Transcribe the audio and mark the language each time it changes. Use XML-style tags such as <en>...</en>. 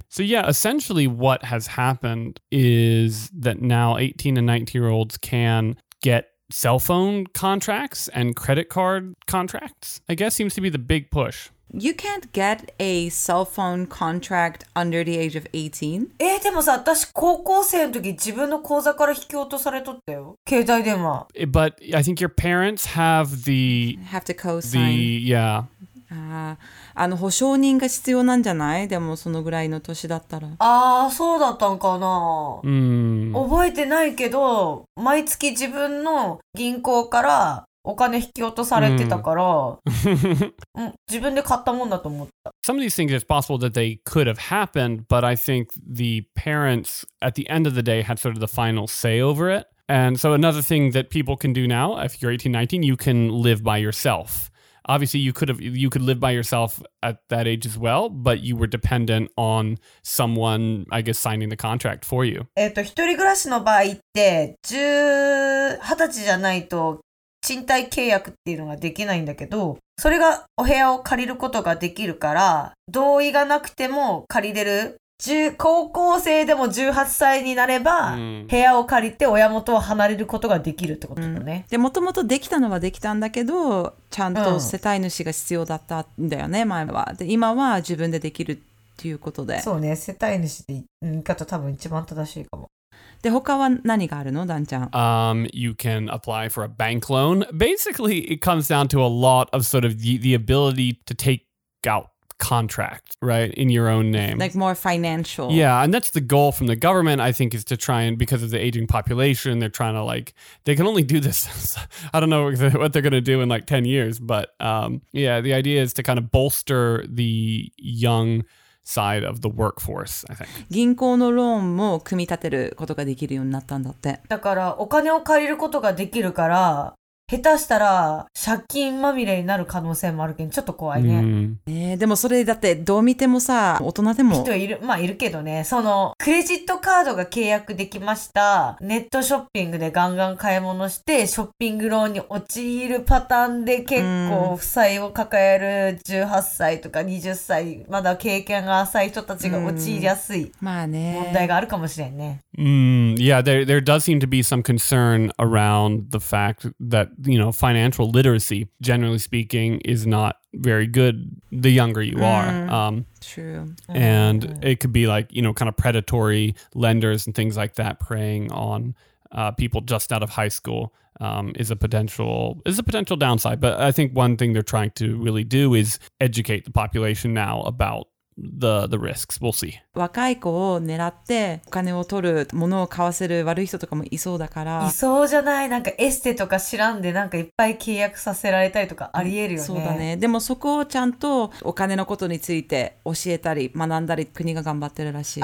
<en>So yeah, essentially what has happened is that now 18 and 19-year-olds can get cell phone contracts and credit card contracts, I guess seems to be the big push. You can't get a cell phone contract under the age of 18.</en> <ja>でもさ、私高校生の時自分の口座から引き落とされとったよ。携帯電話。</ja> <en>But I think your parents have the... Have to co-sign. The, yeah.</en> <ja>あの、保証人が必要なんじゃない？でもそのぐらいの年だったら。ああ、そうだったんかな。うん。覚えてないけど、毎月自分の銀行からお金引き落とされてたから、自分で買ったもんだと思った。</ja> <en>Some of these things it's possible that they could have happened, but I think the parents at the end of the day had sort of the final say over it. And so another thing that people can do now, if you're 18, 19, you can live by yourself. Obviously you could live by yourself at that age as well, but you were dependent on someone, I guess, signing the contract for you.</en> <ja>一人暮らしの場合って、18歳じゃないと賃貸契約っていうのができないんだけど、それがお部屋を借りることができるから、同意がなくても借りれる。高校生でも18歳になれば、うん、部屋を借りて親元を離れることができるってことだね、うん、でもともとできたのはできたんだけど、ちゃんと世帯主が必要だったんだよね、うん、前は。で今は自分でできるっていうことで。そうね、世帯主で言い方多分一番正しいかも。で他は何があるの、ダンちゃん。</ja> <en>You can apply for a bank loan. Basically it comes down to a lot of sort of the ability to take outcontract, right, in your own name. Like more financial. Yeah, and that's the goal from the government, I think, is to try and, because of the aging population, they're trying to like, they can only do this, I don't know what they're going to do in like 10 years, but yeah, the idea is to kind of bolster the young side of the workforce, I think.</en> <ja>銀行のローンも組み立てることができるようになったんだって。だからお金を借りることができるから、下手したら借金まみれになる可能性もあるけど、ちょっと怖いね。ねえ、でもそれだってどう見てもさ、大人でも人いる、まあいるけどね。そのクレジットカードが契約できました、ネットショッピングでガンガン買い物してショッピングローンに陥るパターンで、結構負債を抱える18歳とか20歳まだ経験が浅い人たちが陥りやすい、まあね、問題があるかもしれんね。</ja> <en>Yeah, there does seem to be some concern around the fact thatYou know, financial literacy, generally speaking, is not very good the younger you are. True. And it could be like, you know, kind of predatory lenders and things like that preying on people just out of high school is a potential downside. But I think one thing they're trying to really do is educate the population now about the risks. We'll see.</en> <ja>若い子を狙ってお金を取る、物を買わせる悪い人とかもいそうだから。いそうじゃない、なんかエステとか知らんでなんかいっぱい契約させられたりとかありえるよね。そうだね。でもそこをちゃんとお金のことについて教えたり学んだり、国が頑張ってるらしい。</ja>